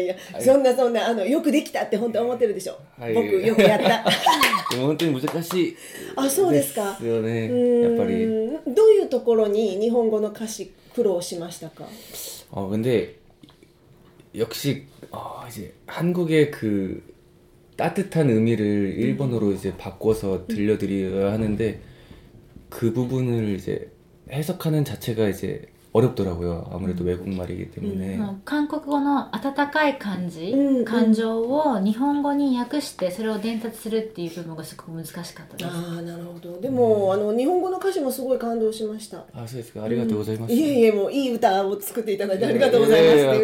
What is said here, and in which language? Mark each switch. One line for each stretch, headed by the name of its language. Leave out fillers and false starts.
Japanese: いやそんな、よくできたって本当は思ってるでしょ。はい、僕、よくやった。でも本当に難しい。あ、そうですか。ですよね、やっぱり。どういうところに日本語の歌詞、苦労しましたか？
Korean: 근데、역시、한국의그、따뜻한의미를일본어로 이제 바꿔서 들려드려야 하는데、 그 부분을 이제해석하는자체가이제어렵더라고요아무래도외국말이기때문에
Japanese: 한국어の温かい感じ、感情を日本語に訳してそれを伝達するっていう部分がすごく難しかったです。ああ、なるほど。でも、日本語の歌詞もすごい感動しました。あ、そうですか、ありがとうございます。いえいえ、もういい歌を作っていただいてありがとうございます。いやいやいや、